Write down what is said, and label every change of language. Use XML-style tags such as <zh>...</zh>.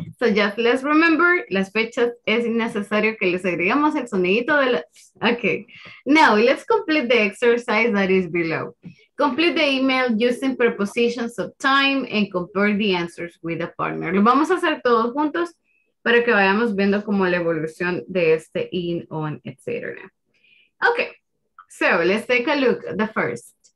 <en>So just let's remember,</en> <es>las fechas es innecesario que les agregamos el sonidito de las...</es> <en>Okay. Now, let's complete the exercise that is below. Complete the email using prepositions of time and compare the answers with a partner.</en> <es>Lo vamos a hacer todos juntos para que vayamos viendo como la evolución de este in, on, etc.</es> <en>Okay. So let's take a look at the first.</en>